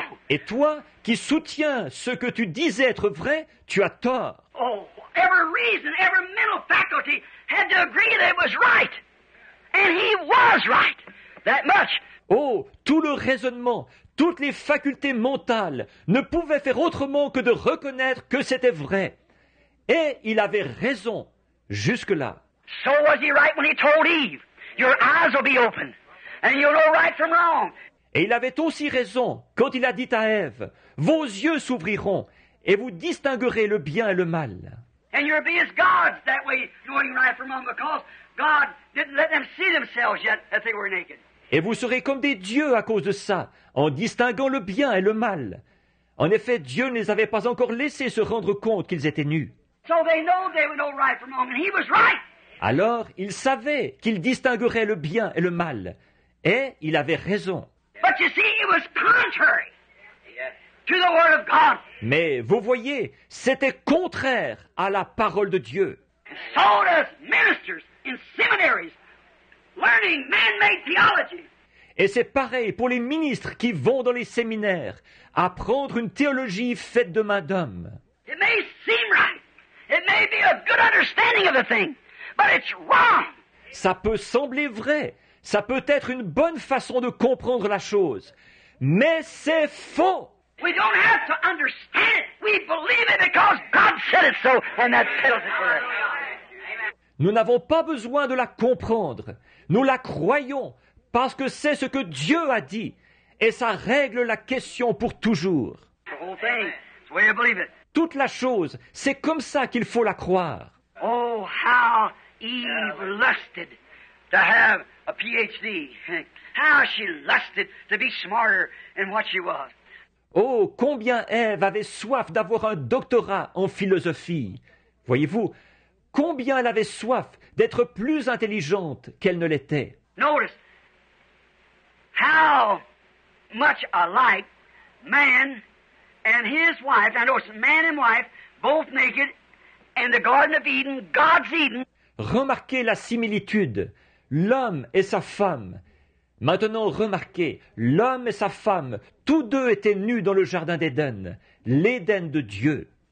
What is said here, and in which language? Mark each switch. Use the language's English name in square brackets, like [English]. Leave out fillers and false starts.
[French] Et toi, qui soutiens ce que tu disais être vrai, tu as tort. [English] Oh, every reason, every mental faculty had to agree that it was right. And he was right, that much. [French] Oh, tout le raisonnement, toutes les facultés mentales ne pouvaient faire autrement que de reconnaître que c'était vrai. Et il avait raison. Jusque-là. [English] So was he right when he told Eve, your eyes will be open, and you'll know right from wrong. [French] Et il avait aussi raison quand il a dit à Ève, vos yeux s'ouvriront et vous distinguerez le bien et le mal. [English] And you'll be as gods that way, knowing right from wrong, because God didn't let them see themselves yet that they were naked. [French] Et vous serez comme des dieux à cause de ça, en distinguant le bien et le mal. En effet, Dieu ne les avait pas encore laissés se rendre compte qu'ils étaient nus. [English] So they know they would know right from wrong, and he was right. [French] Alors, il savait qu'il distinguerait le bien et le mal, et il avait raison. [English] But you see, it was contrary to the word of God. [French] Mais vous voyez, c'était contraire à la parole de Dieu. [English] So does ministers in seminaries learning man-made theology. [French] Et c'est pareil pour les ministres qui vont dans les séminaires apprendre une théologie faite de main d'homme. [English] It may seem right. It may be a good understanding of the thing, but it's wrong. [French] Ça peut sembler vrai, ça peut être une bonne façon de comprendre la chose, mais c'est faux. [English] We don't have to understand it. We believe it because God said it so, and that settles it for us. [French] Nous n'avons pas besoin de la comprendre. Nous la croyons parce que c'est ce que Dieu a dit, et ça règle la question pour toujours. [English] The whole thing, it's the way you believe it. [French] Toute la chose, c'est comme ça qu'il faut la croire. [English] Oh, how Eve lusted to have a PhD. How she lusted to be smarter than what she was. [French] Oh, combien Ève avait soif d'avoir un doctorat en philosophie. Voyez-vous, combien elle avait soif d'être plus intelligente qu'elle ne l'était. [English] Notice how much alike man and his wife, and notice, man and wife, both naked, and the Garden of Eden, God's Eden. [French] Remarquez la similitude. L'homme et sa femme. Maintenant, remarquez, l'homme et sa femme, tous deux étaient nus dans le jardin d'Éden, l'Éden de Dieu.